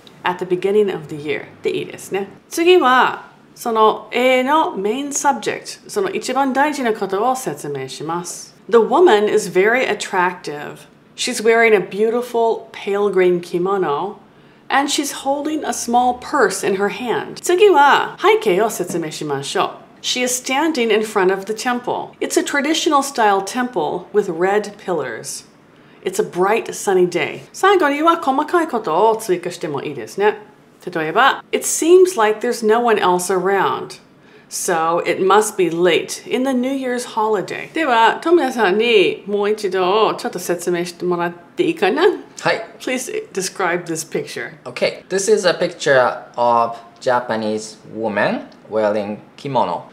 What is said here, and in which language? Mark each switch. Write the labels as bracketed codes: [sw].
[en] At the beginning of the year. [ja] でいいですね。次は、その A の main subject、その一番大事なことを説明します。 [en] The woman is very attractive. She's wearing a beautiful pale green kimono, and she's holding a small purse in her hand. [ja] 次は、背景を説明しましょう。 [en] She is standing in front of the temple. It's a traditional style temple with red pillars. It's a bright sunny day. [ja] 最後には細かいことを追加してもいいですね。例えば、 [en] It seems like there's no one else around, so it must be late in the New Year's holiday. [ja] では、トミヤさんにもう一度ちょっと説明してもらっていいかな？はい。 [en] Please describe this picture. Okay. This is a picture of Japanese woman wearing kimono.